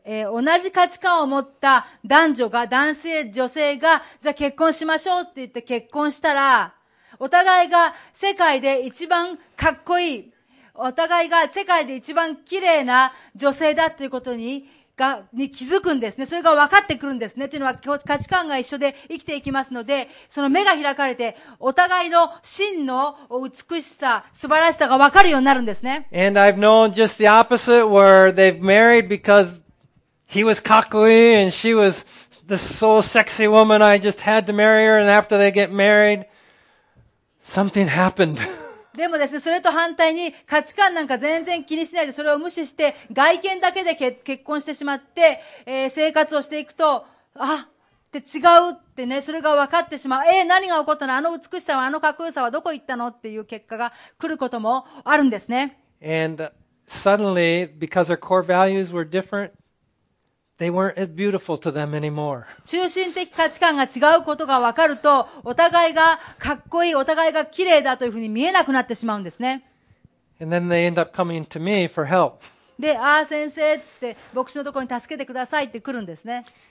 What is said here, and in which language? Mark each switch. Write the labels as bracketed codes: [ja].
[ja] 同じ価値観を持った男女が、男性、女性が、じゃあ結婚しましょうって言って結婚したら、お互いが世界で一番かっこいい、お互いが世界で一番綺麗な女性だっていうことにが、に気づくんですね。それが分かってくるんですね。というのは価値観が一緒で生きていきますので、その目が開かれて、お互いの真の美しさ、素晴らしさが分かるようになるんですね。 [en] And I've known just the opposite where they've married because he was cocky and she was this so sexy woman, I just had to marry her and after they get married, something happened. [ja] でもですね、それと反対に価値観なんか全然気にしないでそれを無視して外見だけで結婚してしまって、生活をしていくと、あって違うってね、それが分かってしまう。何が起こったの？あの美しさは、あのかっこよさはどこ行ったの？っていう結果が来ることもあるんですね。 [en] And suddenly, because their core values were different, they weren't as beautiful to them anymore. [ja] 中心的価値観が違うことが分かると、お互いがかっこいい、お互いが綺麗だというふうに見えなくなってしまうんですね。 [en] And then they end up coming to me for help. [ja] で、ああ先生って牧師のところに助けてくださいって来るんですね。